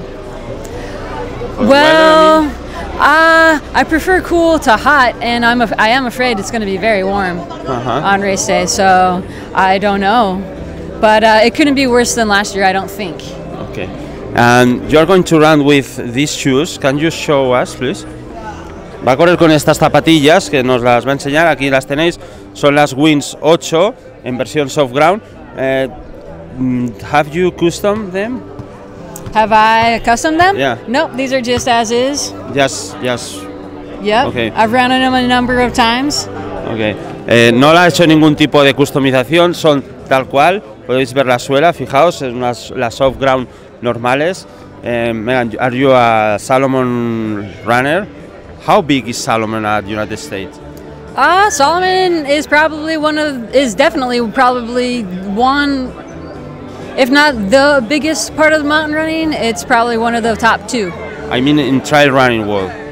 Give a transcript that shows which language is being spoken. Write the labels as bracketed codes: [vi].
[en] I prefer cool to hot, and I am afraid it's going to be very warm on race day, so I don't know. But it couldn't be worse than last year, I don't think. Okay. And you're going to run with these shoes. Can you show us, please? [es] Va a correr con estas zapatillas, que nos las va a enseñar, aquí las tenéis. Son las Wins 8, en versión soft ground. [en] Have you custom them? Have I custom them? Yeah. No, these are just as is. Yes. Yep, okay. I've run them a number of times. Okay. [es] No la he hecho ningún tipo de customización, son tal cual. Podéis ver la suela, fijaos, es las soft ground normales. [en] Megan, are you a Salomon runner? How big is Salomon at the United States? Salomon is definitely one, if not the biggest part of the mountain running, it's probably one of the top two. I mean in trail running world.